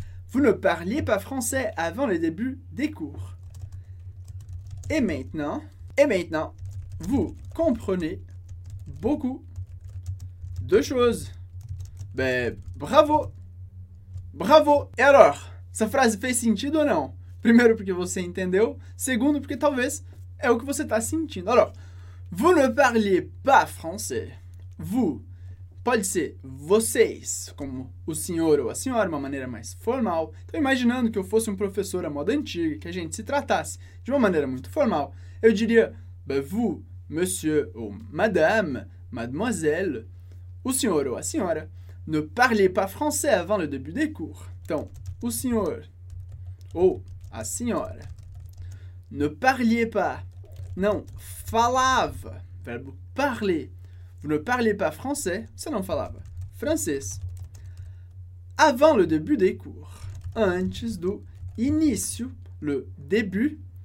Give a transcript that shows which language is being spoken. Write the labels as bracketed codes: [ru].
[fr] Vous ne parliez pas français avant le début des cours. Et maintenant, vous comprenez beaucoup de choses. Ben, bravo! Bravo! Et alors, [pt] essa frase fez sentido ou não? Primeiro, porque você entendeu. Segundo, porque talvez é o que você está sentindo. [fr] Alors, vous ne parliez pas français. [pt] Vous, pode ser vocês, como o senhor ou a senhora, uma maneira mais formal. Então, imaginando que eu fosse um professor à moda antiga, que a gente se tratasse de uma maneira muito formal, eu diria, [fr] ben vous, monsieur ou madame, mademoiselle, [pt] o senhor ou a senhora, [fr] ne parlez pas français avant le début des cours. [pt] Então, o senhor ou a senhora, [fr] ne parliez pas, não, falava, verbo parler, vous ne parliez pas français, [pt] você não falava, [fr] francês, avant le début des cours, [pt] antes do início, [fr] le début.